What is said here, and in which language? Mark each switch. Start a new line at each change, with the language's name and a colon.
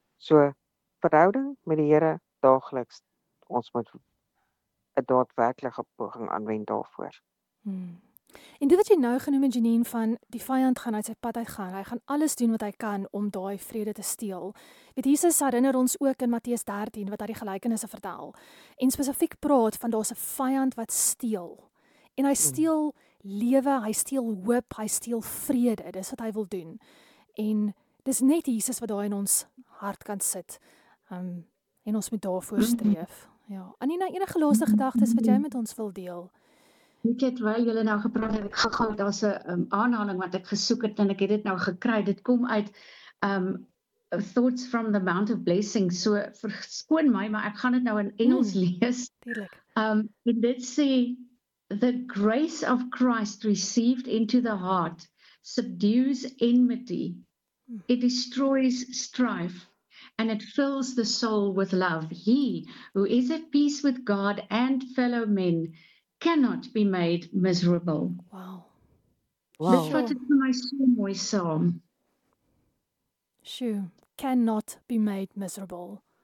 Afrikaans: So, verhouding met die Here daagliks, ons moet 'n daadwerklike poging aanwend daarvoor. En dit wat jy nou genoem het, Janine, van die vyand gaan uit sy pad uitgaan, hy gaan alles doen wat hy kan om daai vrede te steel. Weet, Jesus herinner ons ook in Matteus 13 wat hy die gelykenisse vertel en spesifiek praat van daar's 'n vyand wat steel. En hy steel lewe, hy steel hoop, hy steel vrede. Dis wat hy wil doen. En dis net Jesus wat daai in ons hart kan sit. En ons moet daarvoor streef. Ja. Anina, enige laaste gedagtes wat jy met ons wil deel? Ek het terwyl julle nou gepraat het, ek gegaan, daar's 'n aanhaling wat ek gesoek het en ek het dit nou gekry. Dit kom uit Thoughts from the Mount of Blessing. So verskoon my, maar ek gaan dit nou in Engels lees. Tuurlik.
English: En dit sê: "The grace of Christ received into the heart subdues enmity. It destroys strife and it fills the soul with love. He who is at peace with God and fellow men cannot be made miserable." Wow.
Afrikaans: Dis wat het vir my so mooi saam.
English: Sure. Cannot be made miserable.